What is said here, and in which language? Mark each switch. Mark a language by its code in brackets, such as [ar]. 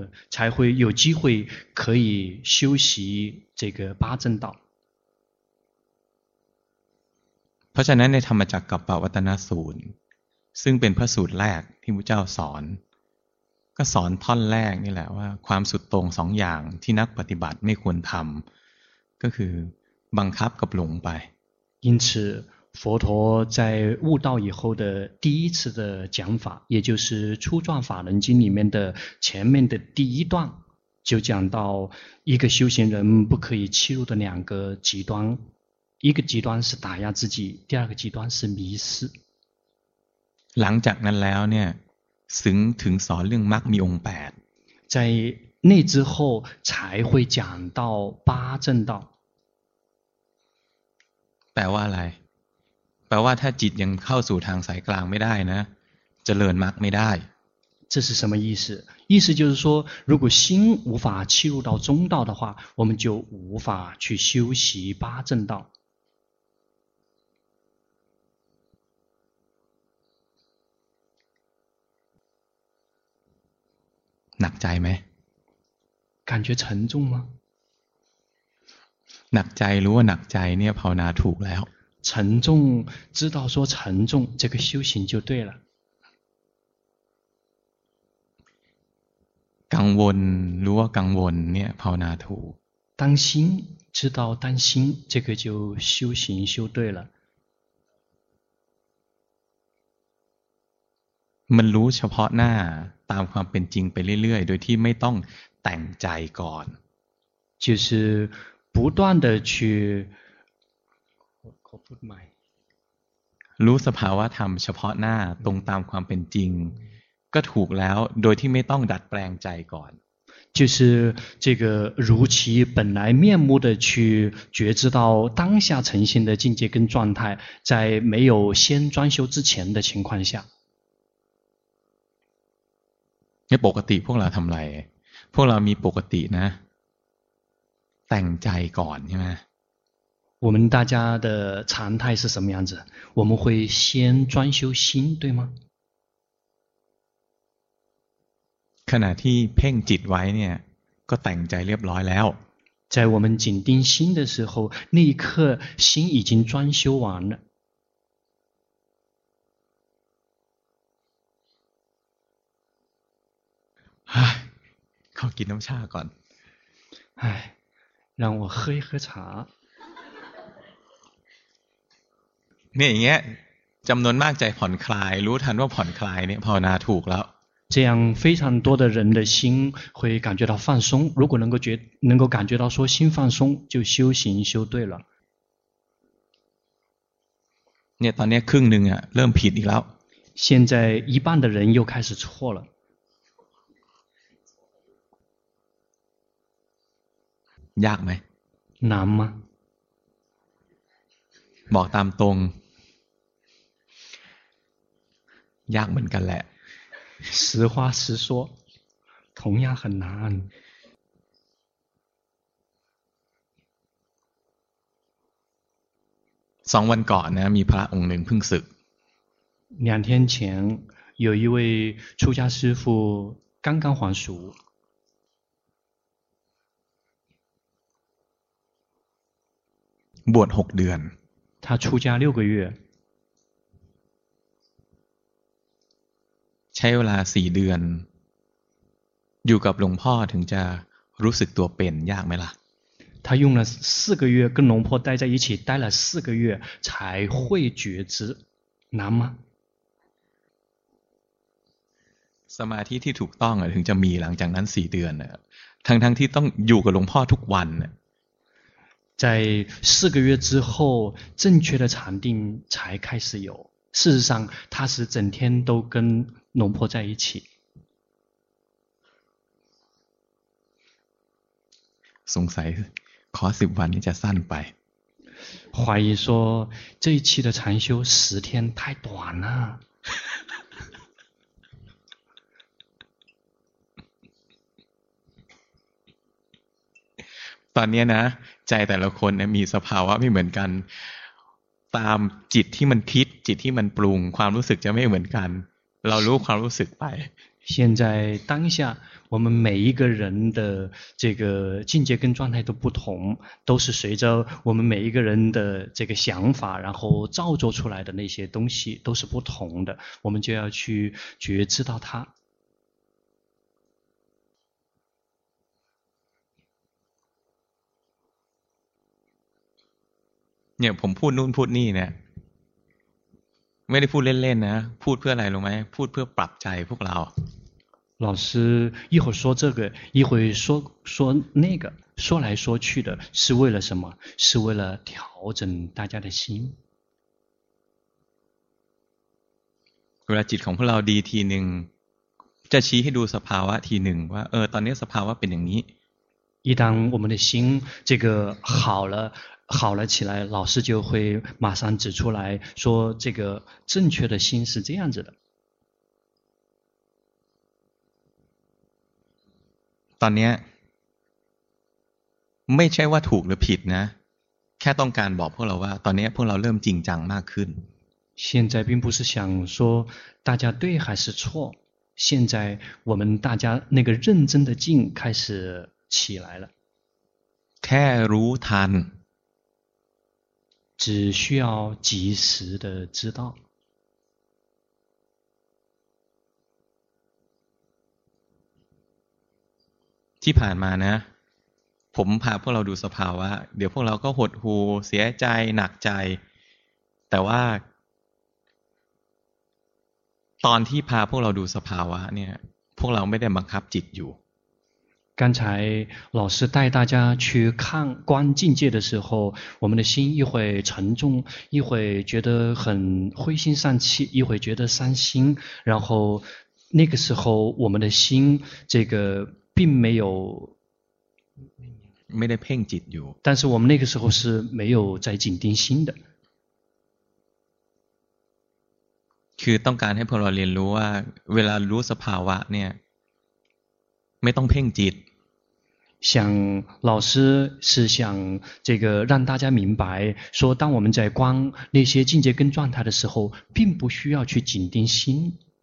[zh] 才会有机会可以修习这个八正道 [th] เพราะฉะนั้นในธรรมจักรกัปปวัตตนสูตรซึ่งเป็นพระสูตรแรกที่พุทธเจ้าสอนก็สอนท่อนแรกนี่แหละว่าความสุดตรงสองอย่างที่นักปฏิบัติไม่ควรทำก็คือบังคับกับหลงไป [zh] 因此佛陀在悟道以后的第一次的讲法也就是初转法轮经里面的前面的第一段就讲到一个修行人不可以切入的两个极端一个极端是打压自己第二个极端是迷失 [th] หลังจากนั้นแล้วเนี่ยถึงสอนเรื่องมรรคมีองค์8 [zh] 在那之后才会讲到八正道 [th] แปลว่าอะไรแปลว่าถ้าจิตยังเข้าสู่ทางสายกลางไม่ได้นะเจริญมรรคไม่ได้ [zh] 这是什么意思意思就是说如果心无法切入到中道的话我们就无法去修习八正道 [th] หนักใจไหม [zh] 感觉沉重吗？ [th] หนักใจรู้ว่าหนักใจเนี่ยภาวนาถูกแล้ว [zh] 沉重知道说沉重这个修行就对了 [th] กังวลรู้ว่ากังวลเนี่ยภาวนาถูก [zh] 担心知道担心这个就修行修对了 [th] มันรู้เฉพาะหน้าตามความเป็นจริงไปเรื่อยๆโดยที่ไม่ต้องแต่งใจก่อน [zh] 就是不断的去 [th] รู้สภาวะธรรมเฉพาะหน้าตรงตามความเป็นจริงก็ถูกแล้วโดยที่ไม่ต้องดัดแปลงใจก่อน [zh] 就是这个如其本来面目的去觉知到当下呈现的境界跟状态在没有先装修之前的情况下 [th] ปกติพวกเราทำอะไรพวกเรามีปกตินะแต่งใจก่อนใช่ไหม [zh] 我们大家的常态是什么样子我们会先装修心对吗 [th] ขณะที่เพ่งจิตไว้เนี่ยก็แต่งใจเรียบร้อยแล้ว [zh] 在我们紧盯心的时候那一刻心已经装修完了 [th] 唉ขอกินน้ำชาก่อน [zh] 唉让我喝一喝茶 [th] เนี่ยอย่างเงี้ยจำนวนมากใจผ่อนคลายรู้ทันว่าผ่อนคลายเนี่ยภาวนาถูกแล้ว [zh] 这样非常多的人的心会感觉到放松如果能够感觉到说心放松就修行修对了 [th] เนี่ยตอนนี้ครึ่งนึงอ่ะเริ่มผิดอีกแล้ว [zh] 现在一半的人又开始错了 [th] ยากไ หม [zh] 难吗 [th] บอกตามตรงยากเหมือนกันแหละ [zh] 实话实说同样很难 [th] สองวันก่อนนะมีพระองค์หนึ่งเพิ่งสึก [zh] 两天前有一位出家师父刚刚还俗 [th] บวช6เดือน [zh] 他出家六个月 [th] ใช้เวลา4เดือนอยู่กับหลวงพ่อถึงจะรู้สึกตัวเป็นยากไหมล่ะ [zh] 他用了4个月跟龙婆待在一起待了4个月才会觉知难吗 [th] สมาธิที่ถูกต้องถึงจะมีหลังจากนั้น4เดือนทั้งที่ต้องอยู่กับหลวงพ่อทุกวัน [zh] 在四个月之后正确的禅定才开始有事实上他是整天都跟龙婆在一起 [th] สงสัยขอ10วันนี้จะสั้นไป [zh] 怀疑说这一期的禅修10天太短了 [th] ตอนนี้นะใจแต่ละคนเนี่ยมีสภาวะไม่เหมือนกันตามจิตที่มันคิดจิตที่มันปรุงความรู้สึกจะไม่เหมือนกันเรารู้ความรู้สึกไป [zh] 现在当下我们每一个人的这个境界跟状态都不同都是随着我们每一个人的这个想法然后造作出来的那些东西都是不同的我们就要去觉知到它 [th] เนี่ยผมพูดนู่นพูดนี่เนี่ยไม่ได้พูดเล่นๆนะพูดเพื่ออะไรรู้ไหมพูดเพื่อปรับใจพวกเรา [zh] 老师一会说这个一会说说那个说来说去的是为了什么是为了调整大家的心 [th] เวลาจิตของพวกเราดีทีนึงจะชี้ให้ดูสภาวะทีนึงว่าตอนนี้สภาวะเป็นอย่างนี้ [zh] 一旦我们的心这个好了好了起来老师就会马上指出来说这个正确的心是这样子的 [th] ตอนนี้ไม่ใช่ว่าถูกหรือผิดนะแค่ต้องการบอกพวกเราว่าตอนนี้พวกเราเริ่มจริงจังมากขึ้น [zh] 现在并不是想说大家对还是错现在我们大家那个认真的境开始起来了。 [th] แค่รู้ทัน [zh] 只需要及时的知道。 [th] ที่ผ่านมานะผมพาพวกเราดูสภาวะเดี๋ยวพวกเราก็หดหูเสียใจหนักใจแต่ว่าตอนที่พาพวกเราดูสภาวะเนี่ยพวกเราไม่ได้บังคับจิตอยู่ [zh] 刚才老师带大家去看观境界的时候我们的心一会沉重一会觉得很灰心丧气一会觉得伤心然后那个时候我们的心这个并没有 [th] ไม่ได้เพ่งจิตอยู่ [zh] 但是我们那个时候是没有在紧盯心的 [th] คือต้องการให้พวกเราเรียนรู้ว่าเวลารู้สภาวะเนี่ยไม่ต้องเพ่งจิต [zh] 想老师是想这个让大家明白说当我们在观那些境界跟状态的时候并不需要去紧盯心